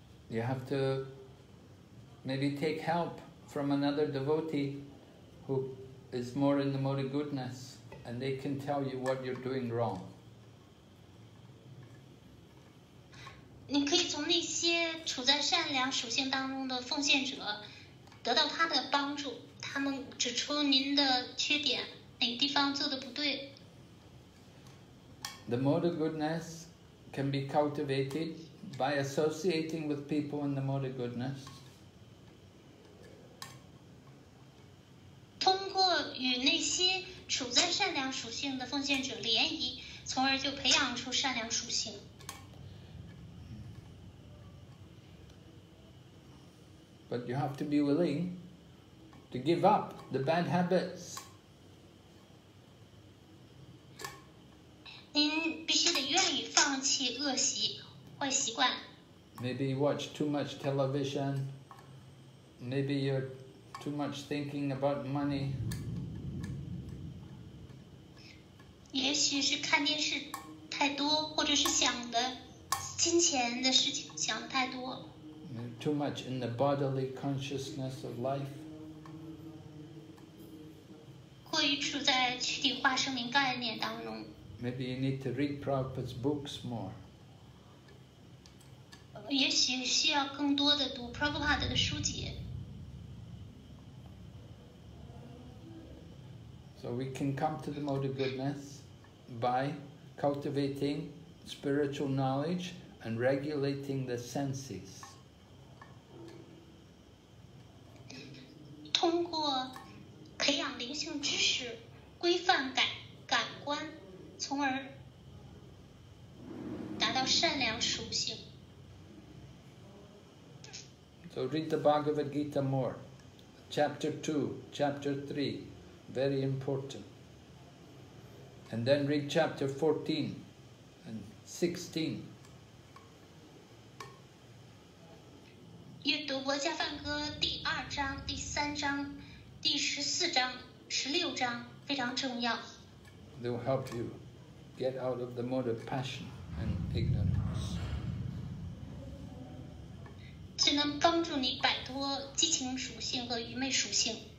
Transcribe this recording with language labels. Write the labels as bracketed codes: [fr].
[en] need to maybe take help from another devotee who is more in the mode of goodness. And they can tell you what you're doing wrong. [zh] 你可以从那些处在善良属性当中的奉献者得到他的帮助，他们指出您的缺点，哪个地方做的不对。 [en] The mode of goodness can be cultivated by associating with people in the mode of goodness. [zh] 通过与那些处在善良属性的奉献者联谊，从而就培养出善良属性。 [en] But you have to be willing to give up the bad habits. [zh] 您必须得愿意放弃恶习、坏习惯。 [en] Maybe you watch too much television. Maybe you're too much thinking about money. [zh] 也许是看电视太多，或者是想的金钱的事情想太多。 [en] Too much in the bodily consciousness of life. [zh] 过于处在躯体化生命概念当中。 [en] Maybe you need to read Prabhupada's books more. [zh] 也许需要更多的读 Prabhupada 的书籍。 [en] So we can come to the mode of goodness. By cultivating spiritual knowledge and regulating the senses. [zh] 通过培养灵性知识，规范感官，从而达到善良属性。 [en] So read the Bhagavad Gita more. Chapter 2, Chapter 3, very important. And then read chapter 14 and 16. [zh] 阅读《摩诃梵歌》第二章、第三章、第十四章、十六章非常重要。 [en] They will help you get out of the mode of passion and ignorance. [zh] 这能帮助你摆脱激情属性和愚昧属性。